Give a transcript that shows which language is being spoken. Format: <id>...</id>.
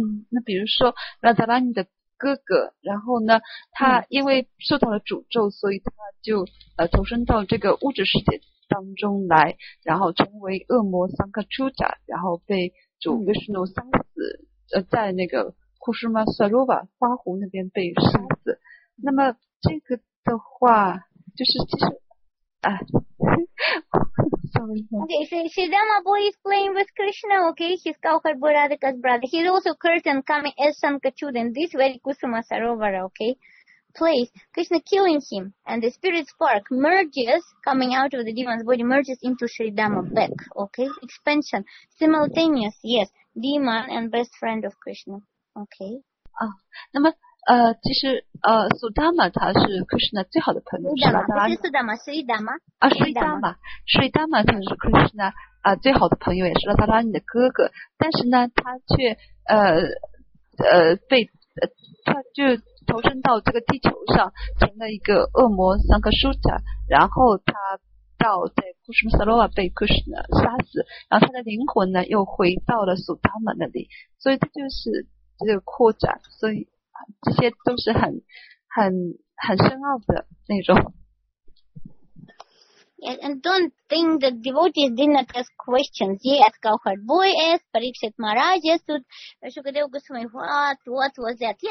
<zh>那比如说拉达拉尼的哥哥，然后呢，他因为受到了诅咒，所以他就投身到这个物质世界当中来，然后成为恶魔桑克丘达，然后被主维斯诺杀死，在那个库什马萨罗瓦花湖那边被杀死。那么这个的话，就是其实。</zh> <en>Okay, so Sridharma boy is playing with Krishna, okay? He's Cowherd Radhika's brother. He's also curtain coming as Sankachuda in this very Kusuma Sarovara, okay? Place. Krishna killing him, and the spirit spark merges, coming out of the demon's body, merges into Sridharma back, okay? Expansion. Simultaneous, yes. Demon and best friend of Krishna, okay?</en> <zh>Sudama, 他是 Krishna 最好的朋友，是吧？Sridharma， Sridharma，Sridharma 他是 Krishna 最好的朋友，也是拉达拉尼的哥哥。但是呢，他却被他就投身到这个地球上，成了一个恶魔 Sankashuta， 然后他到在 Kusuma Sarovara 被 Krishna 杀死，然后他的灵魂呢又回到了 Sudama 那里，所以这就是这个扩展，所以。这些都是很深奥的那种。 Yes, and don't think that devotees did not ask questions. Yes, Cowherd boy asked, Parikshit Maharaj asked, Shukadeva Goswami, what was that?</zh>